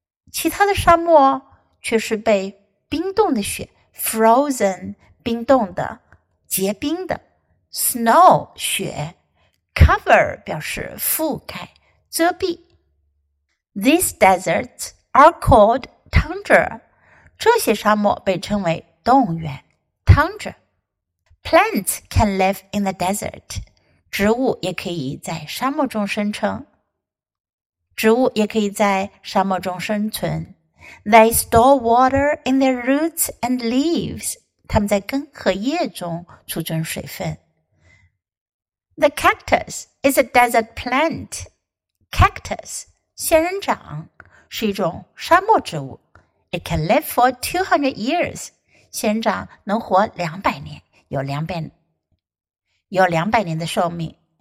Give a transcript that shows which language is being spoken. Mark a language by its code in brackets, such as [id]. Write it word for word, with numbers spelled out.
[zh] 其他的沙漠却是被冰冻的雪 Frozen 冰冻的结冰的 Snow 雪 Cover 表示覆盖遮蔽 [en] These deserts are called tundra [zh] 这些沙漠被称为动物园 tundra. [en] Plants can live in the desert. [zh] 植物也可以在沙漠中生存。植物也可以在沙漠中生存。 [en] They store water in their roots and leaves. [zh] 它们在根和叶中储存水分。 [en] The cactus is a desert plant. Cactus, [zh] 仙人掌是一种沙漠植物。 [en] It can live for two hundred years. [zh] 仙人掌能活两百年，有两百有两百年的寿命。